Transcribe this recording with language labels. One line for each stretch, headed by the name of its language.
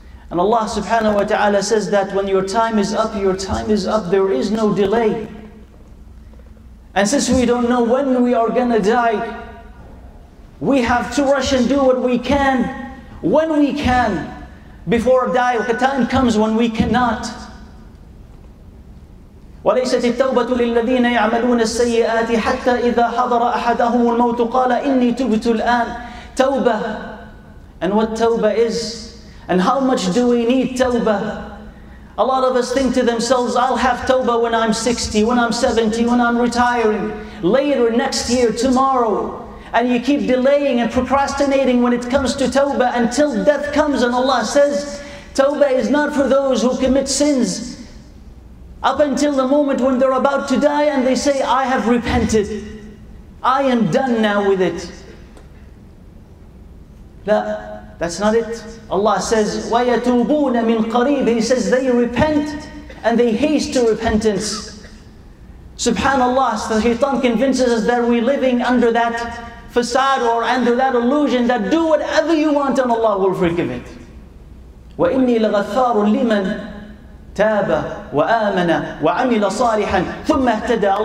English: And Allah subhanahu wa ta'ala says that when your time is up, your time is up. There is no delay. And since we don't know when we are gonna die, we have to rush and do what we can, when we can, before die. The time comes when we cannot.
Arabic: وليست التوبة للذين يعملون السيئات حتى إذا حضر أحدهم الموت قال إني تبت الآن.
English: توبة. And what tawbah is? And how much do we need tawbah? A lot of us think to themselves, I'll have tawbah when I'm 60, when I'm 70, when I'm retiring, later, next year, tomorrow. And you keep delaying and procrastinating when it comes to tawbah until death comes. And Allah says, tawbah is not for those who commit sins, up until the moment when they're about to die and they say, I have repented. I am done now with it. No, that's not it. Allah says,
Arabic: وَيَتُوبُونَ مِنْ قَرِيبٍ.
English: He says, they repent and they haste to repentance. Subhanallah, the shaitan convinces us that we're living under that facade or under that illusion that do whatever you want and Allah will forgive it.
Arabic: وَإِنِّي لَغَثَّارٌ لِمَنْ تَابَ وَآمَنَ وَعَمِلَ صَالِحًا ثُمَّ اهْتَدَى.